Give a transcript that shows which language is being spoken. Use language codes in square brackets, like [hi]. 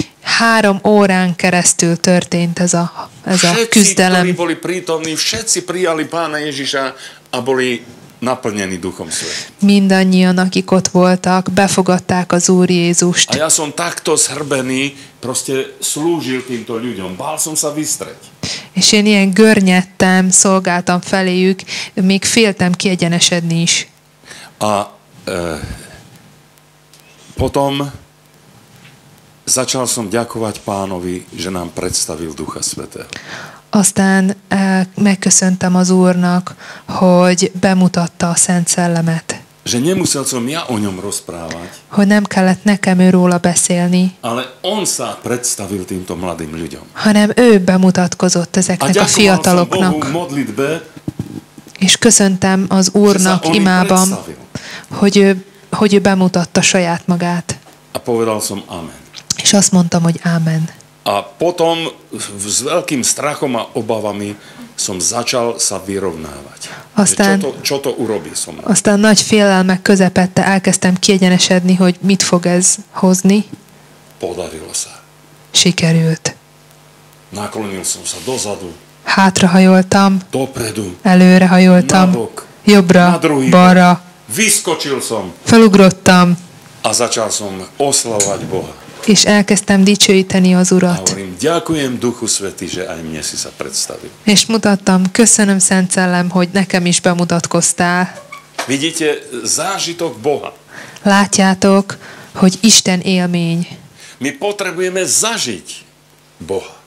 [hu] 3 órán keresztül történt ez a [sk] všetci, [hu] küzdelem. [sk] Všetci, boli prítomní, všetci prijali Pána Ježiša a boli naplnení Duchom Svetým. [hu] Mindannyian, akik ott voltak, befogadták az Úr Jézust. [sk] A ja som takto zhrbený, proste slúžil týmto ľuďom. Bál som sa vystreť. [hu] És én ilyen görnyedtem, szolgáltam feléjük, még féltem kiegyenesedni is. [sk] A potom začal som ďakovať Pánovi, že nám predstavil Ducha Svätého. [hu] Aztán megköszöntem az Úrnak, hogy bemutatta a Szent Szellemet. [sk] Že nemusel som ja o ňom rozprávať. [hu] Hogy nem kellett nekem ő róla beszélni. [sk] Ale on sa predstavil týmto mladým ľuďom. [hu] Hanem ő bemutatkozott ezeknek a fiataloknak. [sk] A ďakoval som Bohu modlitbe. [hu] És köszöntem az Úrnak imában, hogy ő bemutatta saját magát. [sk] A povedal som amen. [hu] És azt mondtam, hogy amen. [sk] A potom s veľkým strachom a obavami som začal sa vyrovnávať. [hu] Aztán, [sk] čo to urobí so mnou. [hu] Aztán nagy félelmek közepette elkezdtem kiegyenesedni, hogy mit fog ez hozni. [sk] Podarilo sa. [hu] Sikerült. [sk] Naklonil som sa dozadu. [hu] Hátrahajoltam, [sk] dopredu, [hu] előrehajoltam, [sk] nabok, [hu] jobbra, [sk] druhýho, [hu] balra, [sk] vyskočil som, [hu] felugrottam, [sk] a začal som oslavovať Boha. [hu] És elkezdtem dicsőíteni az Urat. [sk] A hovorím, ďakujem Duchu Svätý, že aj mne si sa predstavil. [hu] És mutattam, köszönöm Szent Szellem, hogy nekem is bemutatkoztál. [sk] Vidíte, zážitok Boha. [hu] Látjátok, hogy Isten élmény. [sk] Mi potrebujeme zažiť Boha.